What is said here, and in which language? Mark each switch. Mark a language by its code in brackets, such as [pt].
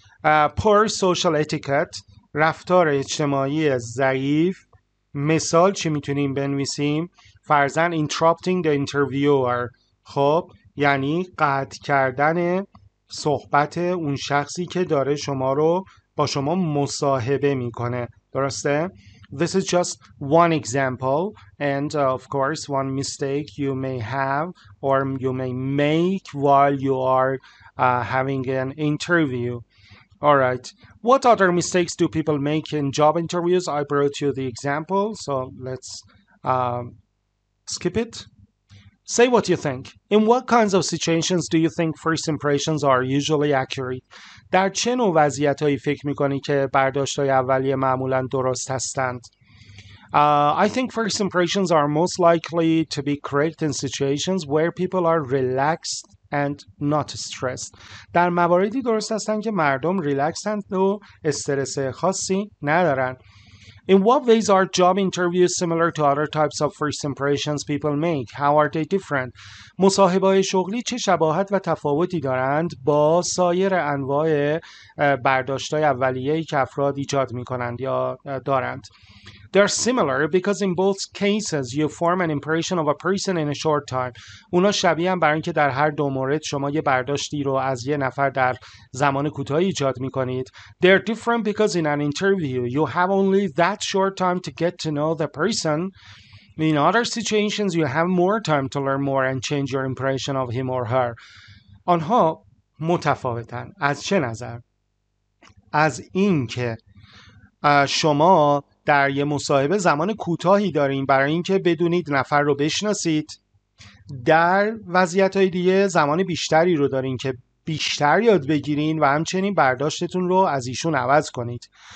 [en] Poor social etiquette. [fa] رفتار اجتماعی ضعیف. مثال چی میتونیم بنویسیم؟ فرضاً [en] interrupting the interviewer. [fa] خب یعنی قطع کردن صحبت اون شخصی که داره شما رو با شما مصاحبه میکنه. درسته؟ [en] This is just one example, and of course, one mistake you may have or you may make while you are having an interview. All right. What other mistakes do people make in job interviews? I brought you the example, so let's skip it. Say what you think. In what kinds of situations do you think first impressions are usually accurate? [fa] در چه نوع وضعیتهایی فکر میکنی که برداشتهای اولیه معمولا درست هستند؟ [en] I think first impressions are most likely to be correct in situations where people are relaxed and not stressed. [fa] در مواردی درست هستند که مردم ریلکسند و استرس خاصی ندارند. [en] In what ways are job interviews similar to other types of first impressions people make? How are they different? [fa] مصاحبه‌های شغلی چه شباهت و تفاوتی دارند با سایر انواع برداشت‌های اولیه‌ای که افراد ایجاد می‌کنند یا دارند؟ [en] They're similar because in both cases you form an impression of a person in a short time. [fa] اونا شبیه هم برای اینکه در هر دو مورد شما یه برداشتی رو از یه نفر در زمان کوتاهی ایجاد میکنید. [en] They're different because in an interview you have only that short time to get to know the person. In other situations you have more time to learn more and change your impression of him or her. [fa] آنها متفاوتن. از چه نظر؟ از این که شما در یه مصاحبه زمان کوتاهی دارین برای اینکه بدونید نفر رو بشناسید، در وضعیت‌های دیگه زمان بیشتری رو دارین که بیشتر یاد بگیرین و همچنین برداشتتون رو از ایشون عوض کنید.